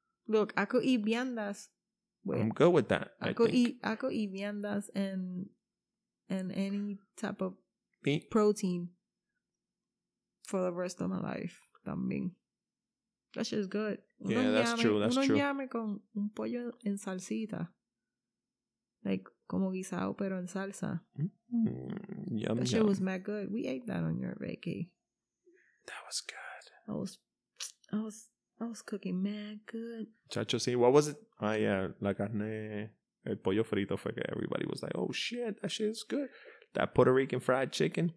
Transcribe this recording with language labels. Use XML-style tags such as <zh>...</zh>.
<en>Look, I could eat viandas. I'm good with that. I could eat viandas and any type of protein for the rest of my life. También. That shit is good. Yeah, that's true.</en> <es>Ñame con un pollo en salsita. Like, como guisado, pero en salsa.</es> <en>Mm-hmm. Yum, that shit was mad good. We ate that on your vacay. That was good. I was cooking mad good. Chacho, see, what was it? Ah, yeah,</en> <es>la carne, el pollo frito fue que</es> <en>everybody was like, oh, shit, that shit is good. That Puerto Rican fried chicken.</en>